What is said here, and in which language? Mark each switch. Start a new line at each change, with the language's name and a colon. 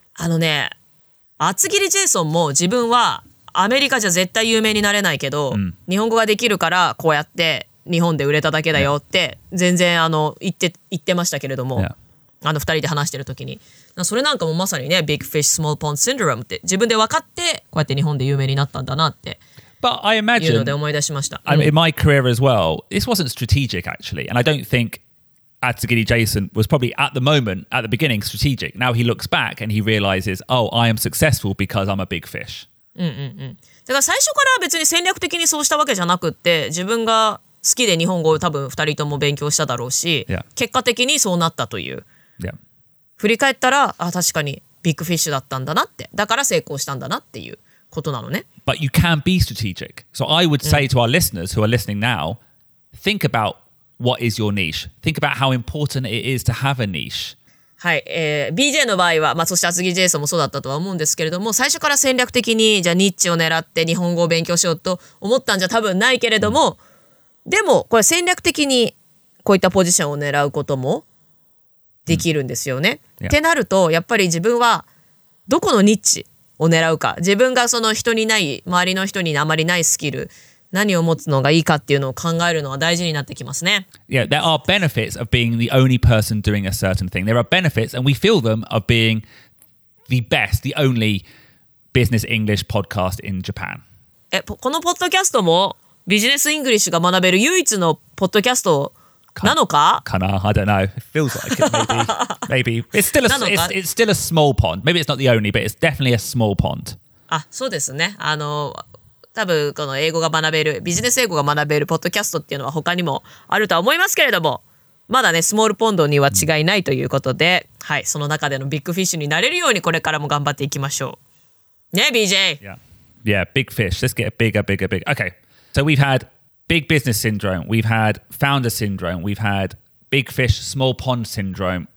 Japanese: あのね、厚切りジェイソンも自分はアメリカじゃ絶対有名になれないけど、うん、日本語ができるからこうやって日本で売れただけだよって全然あの言ってましたけれども、yeah. あの2人で話してる時に、それなんかもまさにね、ビッグフィッシュスモールポンドシンドロームって自分で分かってこうやって日本で有名になったんだなって。
English: But I imagine,
Japanese: いうので思い出しました。
English: I mean, in my career as well, this wasn't strategic actually, and I don't think Atsugiri Jason was probably at the moment, at the beginning, strategic. Now he looks back and he realizes, oh, I am successful because I'm a big fish.
Japanese: だから最初から別に戦略的にそうしたわけじゃなくって、自分が好きで日本語を多分2人とも勉強しただろうし、
English: yeah.
Japanese: 結果的にそうなったという。
English: Yeah.
Japanese: 振り返ったら、あ、確かにビッグフィッシュだったんだなって、だから成功したんだなっていうことなのね。
English: But you can be strategic. So I would say to our listeners who are listening now, think aboutWhat is your niche? Think about how important it is to have a niche.
Japanese: はい、BJ の場合は、まあ、そして厚木ジェイソンもそうだったとは思うんですけれども、最初から戦略的にじゃあニッチを狙って日本語を勉強しようと思ったんじゃ多分ないけれども、でもこれ戦略的にこういったポジションを狙うこともできるんですよね。ってなるとやっぱり自分はどこのニッチを狙うか、自分がその人にない周りの人にあまりないスキル。何を持つのがいいかっていうのを考えるのは大事になってきますね。
English: Yeah, there are benefits of being the only person doing a certain thing. There are benefits, and we feel them, of being the best, the only business English podcast in Japan.
Japanese: このポッドキャストもビジネスイングリッシュが学べる唯一のポッドキャストなのか？かな？
English: I don't know. It feels like it, maybe. Maybe. It's still a small pond. Maybe it's not the only, but it's definitely a small pond.
Japanese: あ、そうですね。あの、多分この英語が学べる、ビジネス英語が学べるポッドキャストっていうのは他にもあるとは思いますけれども、まだね、スモールポンドには違いないということで、はい、その中でのビッグフィッシュになれるようにこれからも頑張っていきましょうね、 BJ。
English: Yeah. Yeah, big fish. Let's get bigger, bigger, bigger. Okay, so we've had big business syndrome, we've had founder syndrome, we've had big fish, small pond syndrome.